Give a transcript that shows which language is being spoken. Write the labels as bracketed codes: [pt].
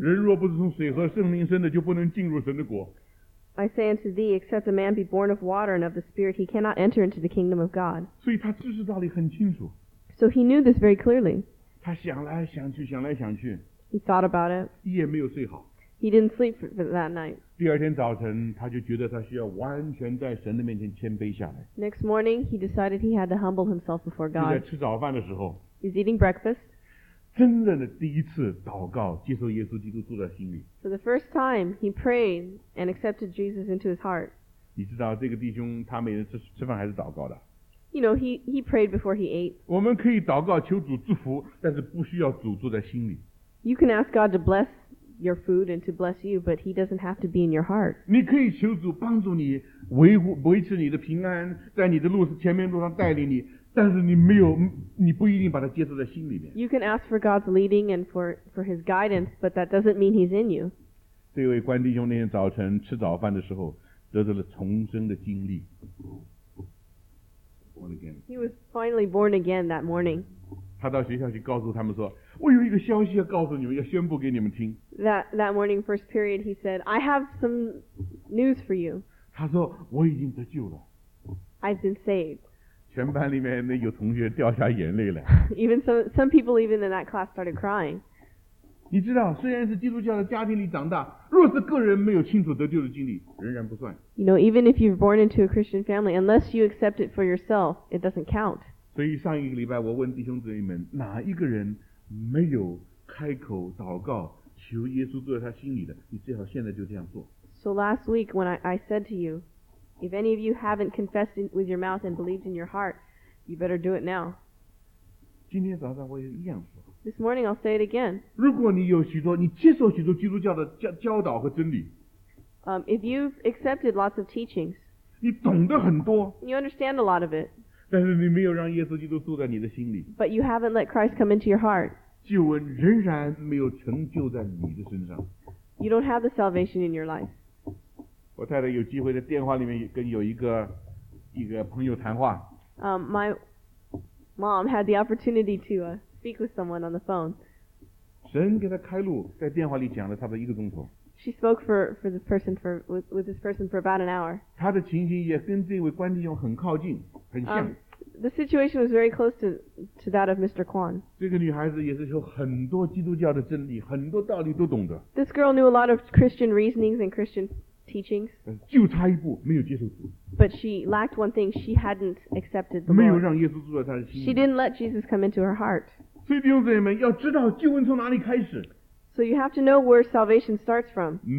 [zh] 人若不是从水和圣灵生的，就不能进入神的国。 [en] I say unto thee, except a man be born of water and of the Spirit, he cannot enter into the kingdom of God. [zh] 所以他知识道理很清楚。 [en] So he knew this very clearly. [zh] 他想来想去，想来想去。 [en] He thought about it. [zh] 一夜没有睡好。 [en] He didn't sleep for that night. [zh] 第二天早晨，他就觉得他需要完全在神的面前谦卑下来。 [en] Next morning, he decided he had to humble himself before God. [zh] 就在吃早饭的时候。 [en] He's eating breakfast. [zh] 真正的第一次祷告，接受耶稣基督住在心里。 [en] For the first time, he prayed and accepted Jesus into his heart. [zh] 你知道这个弟兄他每天吃饭还是祷告的。 [en] You know, he prayed before he ate. [zh] 我们可以祷告求主祝福，但是不需要主住在心里。 [en] You can ask God to bless your food and to bless you, but he doesn't have to be in your heart. [zh] 你可以求主帮助你维持你的平安，在你的路前面路上带领你，但是你没有，你不一定把它接受在心里面。 [en] You can ask for God's leading and for His guidance, but that doesn't mean He's in you. [zh] 这位关弟兄那天早晨吃早饭的时候，得到了重生的经历。 [en] Born again. He was finally born again that morning. [zh] 他到学校去告诉他们说，我有一个消息要告诉你们，要宣布给你们听。 [en] That morning, first period, he said, I have some news for you. [zh] 他说，我已经得救了。 [en] I've been saved. [zh] 全班里面那有同学掉下眼泪来。 [en] Even some people even in that class started crying. [zh] 你知道，虽然是基督教的家庭里长大，若是个人没有清楚得救的经历，仍然不算。 [en] You know, even if you're born into a Christian family, unless you accept it for yourself, it doesn't count. [zh] 所以上一个礼拜我问弟兄姊妹们，哪一个人没有开口祷告求耶稣坐在他心里的，你最好现在就这样做。 [en] So last week when I said to you, if any of you haven't confessed with your mouth and believed in your heart, you better do it now. [zh] 今天早上我也一样说。 [en] This morning I'll say it again. [zh] 如果你有许多，你接受许多基督教的教导和真理。 [en] If you've accepted lots of teachings. [zh] 你懂得很多。 [en] You understand a lot of it. [zh] 但是你没有让耶稣基督住在你的心里。 [en] But you haven't let Christ come into your heart. [zh] 救恩仍然没有成就在你的身上。 [en] You don't have the salvation in your life. [zh] 我太太有机会在电话里面跟有一个朋友谈话。 [en] My mom had the opportunity to speak with someone on the phone. [zh] 神给她开路，在电话里讲了差不多一个钟头。 [en] She spoke for this person with this person for about an hour. [zh] 她的情形也跟这位关弟兄很靠近，很像。 [en] The situation was very close to that of Mr. Kwan. [zh] 这个女孩子也是有很多基督教的真理，很多道理都懂得。 [en] This girl knew a lot of Christian reasonings and Christian teachings. [zh] 就差一步没有接受主。 [en] But she lacked one thing. She hadn't accepted the Lord. [zh] 没有让耶稣住在她的心里。 [en] She didn't let Jesus come into her heart. [zh] 所以弟兄姊妹们要知道救恩从哪里开始。 [en] So you have to know where salvation starts from.